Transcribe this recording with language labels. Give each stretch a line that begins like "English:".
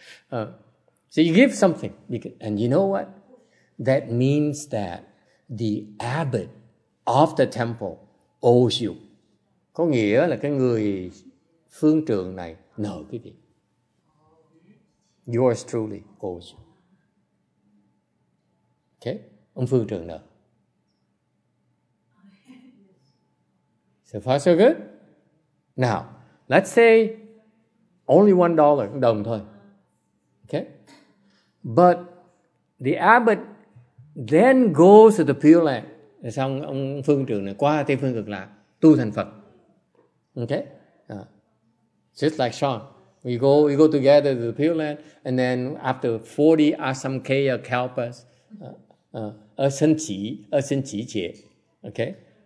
English: So you give something, and you know what? That means that the abbot of the temple owes you.
Vietnamese: Có nghĩa là cái người phương trượng này nợ quý vị.
English: Yours truly owes you.
Vietnamese: Okay? Ông phương trượng nợ.
English: So far so good? Now, let's say only $1,
Vietnamese: đồng thôi.
English: Okay? But The abbot then goes to the Pure Land.
Vietnamese: Xong ông phương trưởng này qua Tây Phương Cực Lạc tu thành Phật.
English: Okay? Just like Sean. We go together to the Pure Land, and then after 40 Asamkaya Kalpas, a sanchi jie, okay?